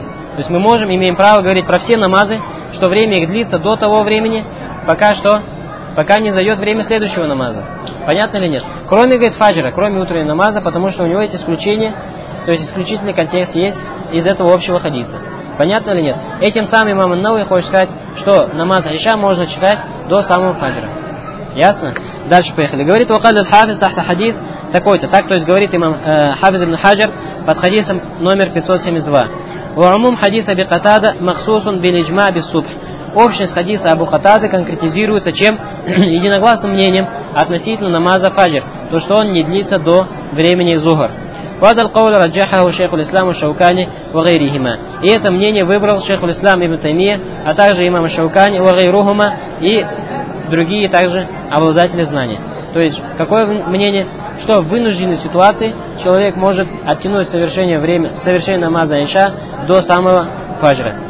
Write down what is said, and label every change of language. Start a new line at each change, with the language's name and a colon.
Russian: То есть мы можем, имеем право говорить про все намазы, что время их длится до того времени, пока что, пока не зайдет время следующего намаза. Понятно или нет? Кроме, говорит, фаджра, кроме утреннего намаза, потому что у него есть исключение, то есть исключительный контекст есть из этого общего хадиса. Понятно или нет? Этим самым имам ан-Науи хочет сказать, что намаз айша можно читать до самого фаджра. Ясно? Дальше поехали. Говорит,
Arabic: وقال الحافظ تحت حديث
Russian: такой-то. Так, то есть говорит имам Хафиз ибн Хаджр под хадисом номер 572.
Arabic: وعموم حديث أبي قتادة مخصوص بالإجماع بالصبح.
Russian: Общность хадиса Абу Катады конкретизируется чем? Единогласным мнением относительно намаза фаджр, то что он не длится до времени зухр.
Arabic: وهذا القول رجحه شيخ الإسلام الشوكاني وغيرهما.
Russian: И это мнение выбрал шейх ислам ибн Таймия, а также имам Шаукани
Arabic: وغيرهما
Russian: и другие также обладатели знания. То есть какое мнение? что в вынужденной ситуации человек может оттянуть совершение время, совершение намаза Иша до самого фаджра.